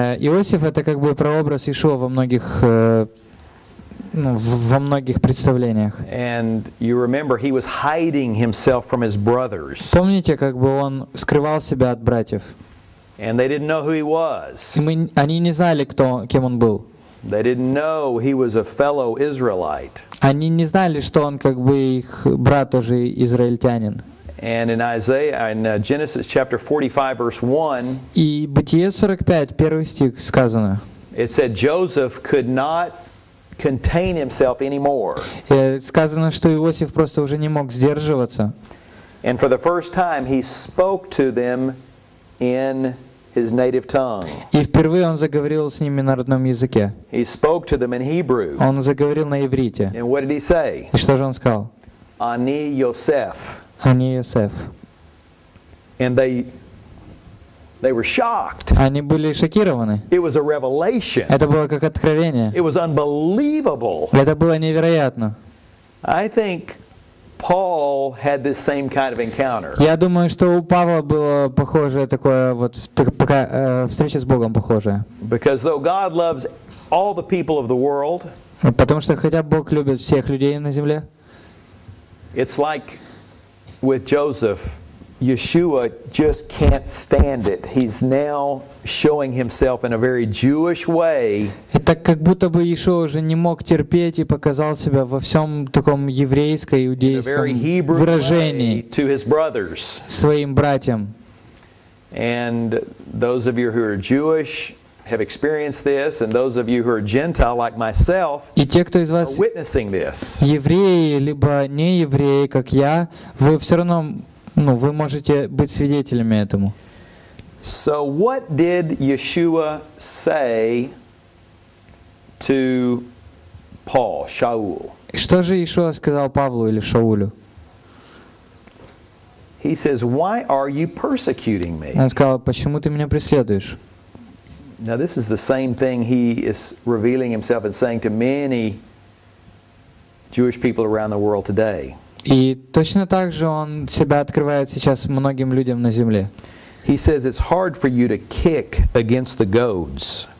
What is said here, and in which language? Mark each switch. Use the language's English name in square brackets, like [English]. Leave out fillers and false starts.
[Russian] Иосиф это как бы прообраз Иешуа во многих во многих представлениях. [English] And you remember he was hiding himself from his brothers. [Russian] Помните, как бы он скрывал себя от братьев. [English] And they didn't know who he was. [Russian] Они не знали, кто, кем он был. [English] They didn't know he was a fellow Israelite. [Russian] Они не знали, что он как бы их брат тоже израильтянин. [English] And in Isaiah, in Genesis chapter 45, verse 1. [Russian] И Бытие 45, первый стих сказано. [English] It said Joseph could not contain himself anymore. [Russian] Сказано, что Иосиф просто уже не мог сдерживаться. [English] And for the first time, he spoke to them in his native tongue. [Russian] И впервые он заговорил с ними на родном языке. [English] He spoke to them in Hebrew. [Russian] Он заговорил на иврите. [English] And what did he say? [Russian] И что же он сказал? [Hebrew] Ани Йосеф. Ани Йосеф. [English] And they were shocked. [Russian] Они были шокированы. [English] It was a revelation. [Russian] Это было как откровение. [English] It was unbelievable. [Russian] Это было невероятно. [English] I think Paul had this same kind of encounter. [Russian] Я думаю, что у Павла было похожее такое вот встреча с Богом похожая. [English] Because though God loves all the people of the world. [Russian] Потому что хотя Бог любит всех людей на земле. [English] It's like with Joseph. Yeshua just can't stand it. He's now showing himself in a very Jewish way. [Russian] Это как будто бы Иешуа уже не мог терпеть и показал себя во всем таком еврейско-иудейском выражении [English] to his brothers. [Russian] Своим братьям. [English] And those of you who are Jewish have experienced this, and those of you who are Gentile like myself are witnessing this. [Russian] Евреи либо не евреи, как я, вы все равно ну, вы можете быть свидетелями этому. [English] So what did Yeshua say to Paul, Shaul? [Russian] Что же Иешуа сказал Павлу или Шаулю? [English] He says, "Why are you persecuting me?" [Russian] Он сказал, почему ты меня преследуешь? [English] Now this is the same thing he is revealing himself and saying to many Jewish people around the world today. [Russian] И точно так же он себя открывает сейчас многим людям на земле. [English] He says it's hard for you to kick against the goads.